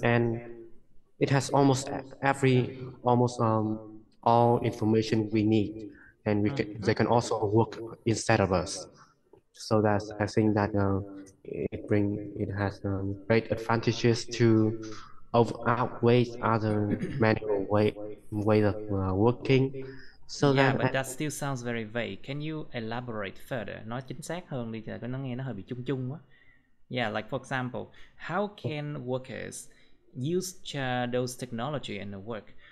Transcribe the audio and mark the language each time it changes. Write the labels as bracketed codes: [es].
[en] And it has all information we need, and they can also work instead of us. So that's, I think that it has great advantages to outweigh other manual way of working. So yeah, that, but that still sounds very vague. Can you elaborate further? [vi] Nói chính xác hơn đi, cho nó nghe nó hơi bị chung chung quá. [en] Yeah, like for example, how can workers use those technology in the work?